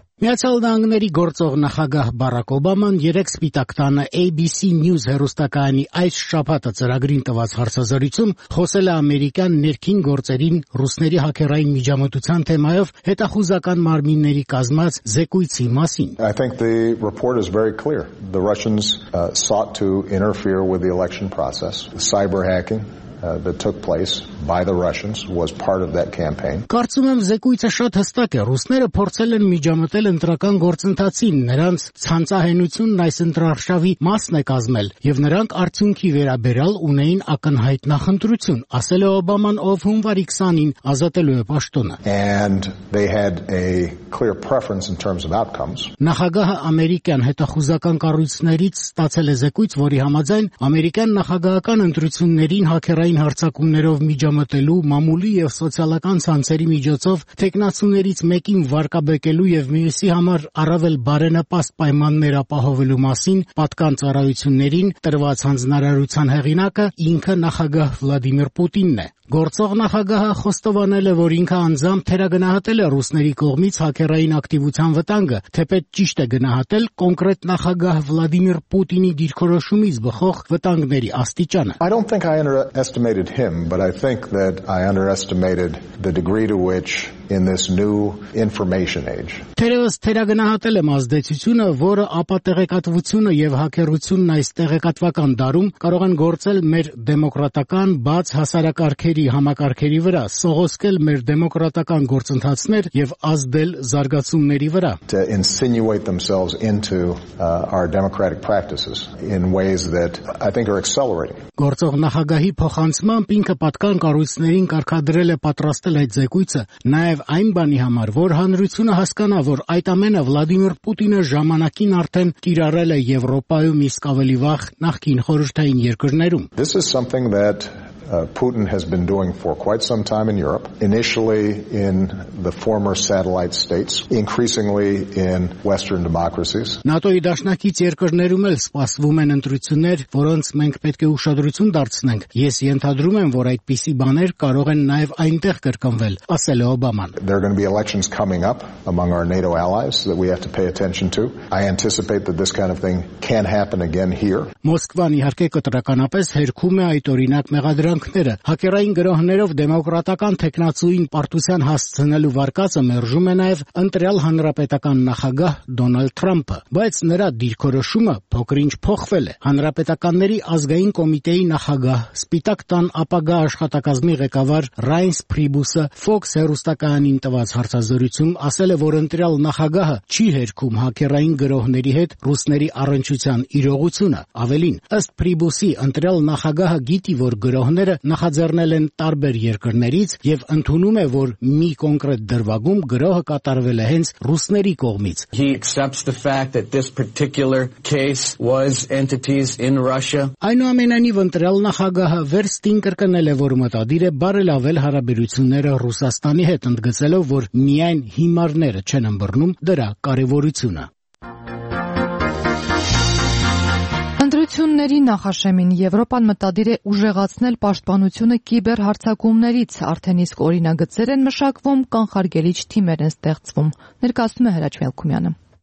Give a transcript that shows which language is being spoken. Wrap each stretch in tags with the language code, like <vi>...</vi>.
<hy>Միացյալ Նահանգների գործող նախագահ Բարակ Օբաման երեք սպիտակ տանը ABC News հեռուստակայանի այս շաբաթը ծրագրին տված հարցազրույցում խոսել է ամերիկյան ներքին գործերին ռուսների հակերային միջամտության թեմայով հետախուզական մարմինների կազմած զեկույցի մասին։</hy> <en>I think the report is very clear. The Russians sought to interfere with the election process. Cyber hacking that took place by the Russians was part of that campaign.</en> <hy>Կարծում եմ զեկույցը շատ հստակ է, ռուսները փորձել են միջամտել ընտրական գործընթացին, նրանց ցանցահենությունն այս ընտրարշավի մասն է կազմել, եւ նրանք արդյունքի վերաբերյալ ունեին ակնհայտ նախընտրություն, ասել է Օբաման, ով հունվարի 20-ին ազատելու է պաշտոնը։</hy> <en>And they had a clear preference in terms of outcomes.</en> <hy>Նախագահը ամերիկյան հետախուզական կառույցներից ստացել է զեկույց, որի համաձայն ամերիկյան նախագահական ընտրություններին հակերային հարձակումներով միջամտելու, մամուլի եւ սոցիալական ցանցերի միջոցով տեխնացուներից մեկին վարկաբեկելու եւ մյուսի համար առավել բարենպաստ պայմաններ ապահովելու մասին պատկան ծառայություններին տրված հանձնարարության հեղինակը ինքը նախագահ Վլադիմիր Պուտինն է։ Գործող նախագահը խոստովանել է, որ ինքը անձամբ թերագնահատել է ռուսների կողմից հակերային ակտիվության վտանգը, թեպետ ճիշտ է գնահատել կոնկրետ նախագահ Վլադիմիր Պուտինի դիրքորոշումից բխող վտանգների աստիճանը։</hy> <en>I don't think I underestimated him, but I think that I underestimated the degree to which in this new information age.</en> <hy>Թերևս թերագնահատել եմ ազդեցությունը, որը ապատեղեկատվությունը եւ հակերությունն այս տեղեկատվական դարում կարող են գործել մեր դեմոկրատական բաց հասարակարգերի համակարգերի վրա, սողոսկել մեր դեմոկրատական գործընթացներ եւ ազդել զարգացումների վրա.</hy> <en>To insinuate themselves into our democratic practices in ways that I think are accelerating.</en> <hy>Գործող նախագահի փոխանցմամբ ինքը պատկան կառույցներին կարգադրել է պատրաստել այդ զեկույցը, նաև այն բանի համար, որ հանրությունը հասկանա, որ այդ ամենը Վլադիմիր Պուտինը ժամանակին արդեն կիրառել է Եվրոպայում, իսկ ավելի վաղ նախկին խորհրդային երկրներում։</hy> <en>This is something that Putin has been doing for quite some time in Europe, initially in the former satellite states, increasingly in Western democracies.</en> <hy>ՆԱՏՕ-ի դաշնակից երկրներում էլ սպասվում են ընտրություններ, որոնց մենք պետք է ուշադրություն դարձնենք։ Ես ենթադրում եմ, որ այդպիսի բաներ կարող են նաև այնտեղ կրկնվել, ասել է Օբաման։</hy> <en>There are going to be elections coming up among our NATO allies that we have to pay attention to. I anticipate that this kind of thing can happen again here.</en> <hy>Մոսկվան իհարկե կտրականապես հերքում է այդ օրինակ մեղադրել ռանքները հակերային գրոհներով դեմոկրատական տեխնացուին պարտության հասցնելու վարկածը մերժում է նաև ընտրյալ հանրապետական նախագահ Դոնալդ Թրամփը, բայց նրա դիրքորոշումը փոքրինչ փոխվել է։ Հանրապետականների ազգային կոմիտեի նախագահ, Սպիտակ տան ապագա աշխատակազմի ղեկավար Ռայնս Փրիբուսը Fox հեռուստակայանին տված հարցազրույցում ասել է, որ ընտրյալ նախագահը չի հերքում հակերային գրոհների հետ ռուսների առընչության իրողությունը։ Ավելին, ըստ Փրիբուսի, ընտրյալ նախագահը գիտի, որ գրոհները ինքը նախաձեռնել են տարբեր երկրներից եւ ընդունում է, որ մի կոնկրետ դրվագում գրոհը կատարվել է հենց ռուսների կողմից։</hy> <en>He accepts the fact that this particular case was entities in Russia.</en> <hy>Այնուամենայնիվ ընտրյալ նախագահը Վերստին կրկնել է, որ մտադիր է բարելավել հարաբերությունները Ռուսաստանի հետ, ընդգծելով, որ միայն հիմարները չեն ըմբռնում դրա կարևորությունը։ Ընտրությունների նախաշեմին Եվրոպան մտադիր է ուժեղացնել պաշտպանությունը կիբեր հարձակումներից, արդեն իսկ օրինագծեր են մշակվում, կանխարգելիչ թիմեր են ստեղծվում, ներկայացնում է Հրաչ Մելքումյանը։</hy>